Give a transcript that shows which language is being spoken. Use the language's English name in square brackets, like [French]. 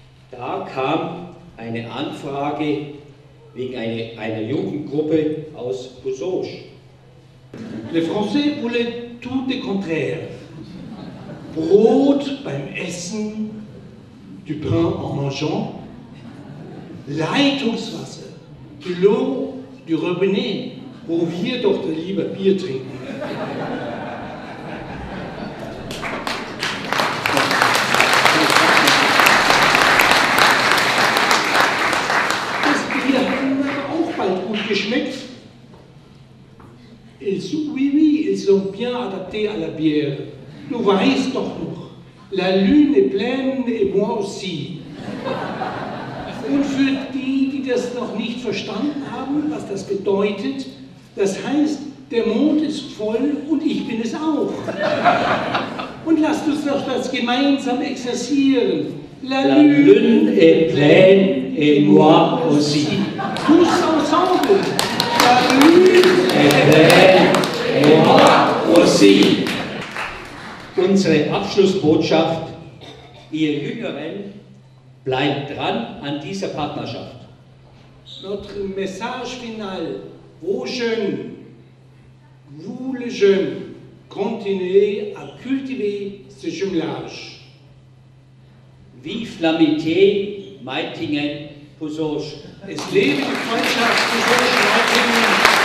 [German] Da kam eine Anfrage wegen einer Jugendgruppe aus Bussoge. [French] Les Français voulaient tout le contraire. [German] Brot beim Essen, [French] du pain en mangeant, [German] Leitungswasser, [French] de l'eau du robinet, [German] wo wir doch lieber Bier trinken. Das Bier hat mir auch bald gut geschmeckt. [French] Ils sont, oui, oui, ils sont bien adaptés à la bière. [German] Du weißt doch noch, [French] la lune est pleine et moi aussi. [German] Und für die, die das noch nicht verstanden haben, was das bedeutet, das heißt, der Mond ist voll und ich bin es auch. Und lasst uns doch das gemeinsam exerzieren. [French] La lune est pleine et moi aussi. Tous ensemble. La lune est pleine et moi aussi. [German] Unsere Abschlussbotschaft, ihr Jüngeren, bleibt dran an dieser Partnerschaft. [French] Notre message final, vos jeunes, vous les jeunes, continuez à cultiver ce jumelage. Vive l'amitié, Meitingen, Bussoge. [German] Es lebe die Freundschaft, Bussoge, Meitingen.